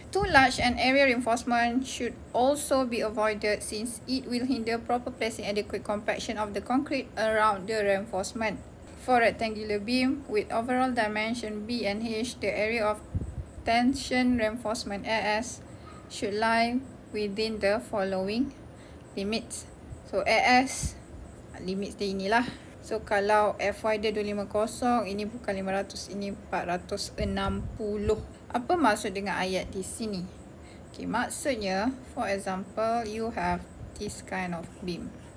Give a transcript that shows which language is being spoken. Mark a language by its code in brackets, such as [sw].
[en] Too large an area reinforcement should also be avoided since it will hinder proper placing adequate compaction of the concrete around the reinforcement. For rectangular beam with overall dimension B and H, the area of tension reinforcement AS should lie within the following limits. [ms] So AS, limits dia inilah. So kalau FY dia 250, ini bukan 500, ini 460. Apa maksud dengan ayat di sini? [en] Okay, maksudnya, for example, you have this kind of beam.